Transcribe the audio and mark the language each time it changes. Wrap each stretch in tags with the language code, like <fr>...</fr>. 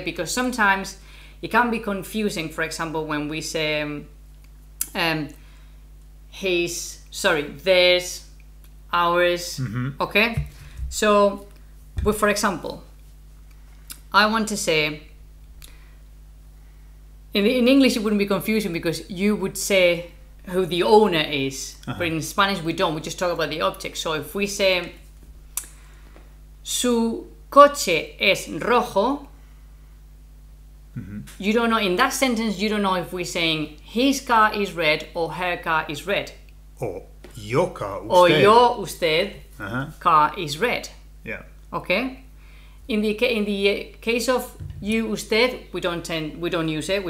<en>Because sometimes it can be confusing, for example, when we say there's ours, mm-hmm. okay? So, well, for example, I want to say, in English it wouldn't be confusing because you would say who the owner is, uh-huh. but in Spanish we don't, we just talk about the object.</en> <es>So if we say, su coche es rojo, mm-hmm.</es> <en>you don't know, in that sentence, you don't know if we're saying his car is red or her car is red. Oh. Your car, usted. Or your, usted, uh-huh. car is red. Yeah. Okay? In the case of you, usted, we don't use it.</en>